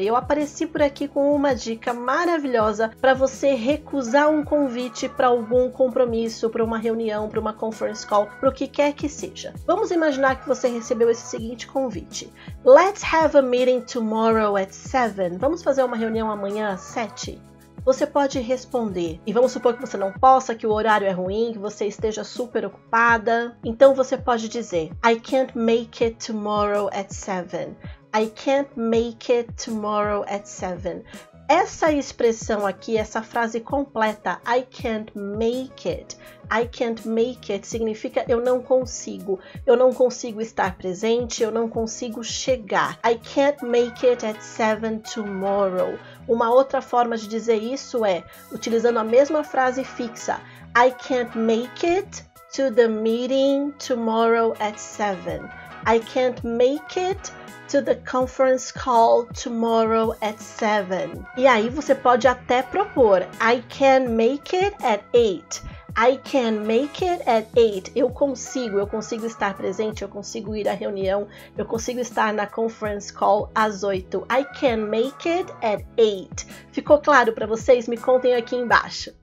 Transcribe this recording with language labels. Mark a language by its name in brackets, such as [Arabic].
[Portuguese] E eu apareci por aqui com uma dica maravilhosa para você recusar um convite para algum compromisso, para uma reunião, para uma conference call, para o que quer que seja. Vamos imaginar que você recebeu esse seguinte convite. [English] Let's have a meeting tomorrow at 7. [Portuguese] Vamos fazer uma reunião amanhã às 7? Você pode responder, e vamos supor que você não possa, que o horário é ruim, que você esteja super ocupada. Então você pode dizer, [English] I can't make it tomorrow at 7. I can't make it tomorrow at 7. [Portuguese] Essa expressão aqui, essa frase completa, [English] I can't make it, [Portuguese] I can't make it, significa eu não consigo estar presente, eu não consigo chegar. [English] I can't make it at 7 tomorrow. [Portuguese] Uma outra forma de dizer isso é, utilizando a mesma frase fixa, [English] I can't make it to the meeting tomorrow at 7. I can't make it to the conference call tomorrow at 7. [Portuguese] E aí você pode até propor, [English] I can make it at 8. I can make it at 8. [Portuguese] Eu consigo estar presente, eu consigo ir à reunião, eu consigo estar na conference call às 8. [English] I can make it at 8. [Portuguese] Ficou claro para vocês? Me contem aqui embaixo.